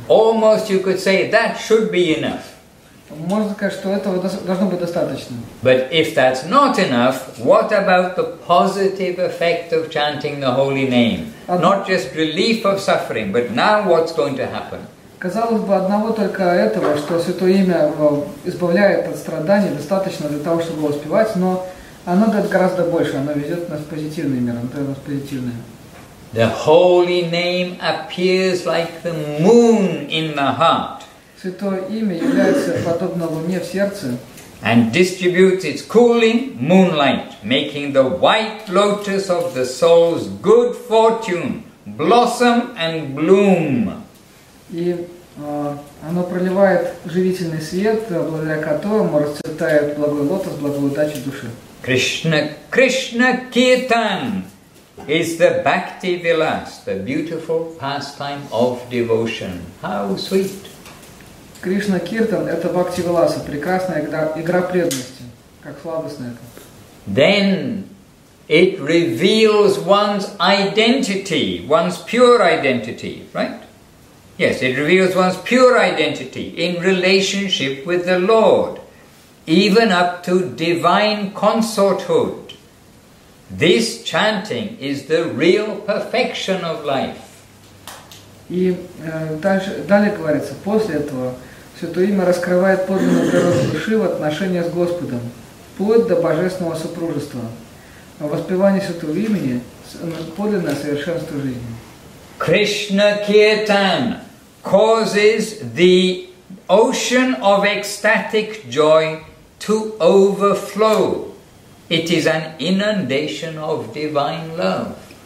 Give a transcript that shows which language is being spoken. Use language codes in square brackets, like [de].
[en] Almost you could say that should be enough. [ru] Можно сказать, что этого должно быть достаточно. [en] But if that's not enough, what about the positive effect of chanting the holy name? Not just relief of suffering, but now what's going to happen? [ru] Казалось бы, одного только этого, что святое имя избавляет от страданий, достаточно для того, чтобы воспевать, но оно дает гораздо больше, оно ведет нас в позитивный мир, оно дает нас позитивное. [en] The holy name appears like the moon in the heart. [ru] Святое имя является подобно луне в сердце. [en] And distributes its cooling moonlight, making the white lotus of the soul's good fortune blossom and bloom. [ru] И оно проливает живительный свет, благодаря которому расцветает благой лотос, благой удачи души. [en] Krishna Kirtan is the Bhakti Vilas, the beautiful pastime of devotion. How sweet! [ru] Кришна Киртан – это Бхакти Виласа, прекрасная игра преданности, как сладостно это. [en] Then it reveals one's identity, one's pure identity, right? Yes, it reveals one's pure identity in relationship with the Lord, even up to divine consorthood. This chanting is the real perfection of life. [ru] И далее говорится, после этого Святое имя раскрывает подлинную природу души в отношении с Господом, вплоть до божественного супружества. Воспевание Святого имени – подлинное совершенство жизни. [en] Krishna Kirtan causes the ocean of ecstatic joy to overflow. It is an inundation of divine love.